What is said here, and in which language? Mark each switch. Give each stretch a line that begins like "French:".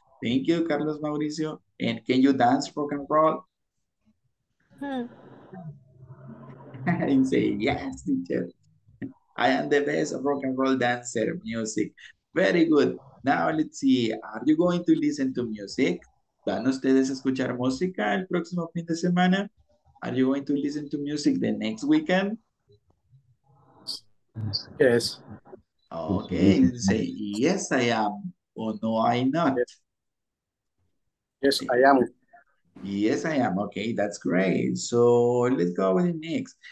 English: Thank you, Carlos Mauricio. And can you dance rock and roll? I didn't say yes, teacher. I am the best rock and roll dancer music. Very good. Now let's see. Are you going to listen to music?
Spanish: ¿Van ustedes a escuchar música el próximo fin de semana?
English: Are you going to listen to music the next weekend? Yes. Okay, say yes I am or no I not. Yes, I am. Yes, I am. Okay, that's great. So let's go with the next.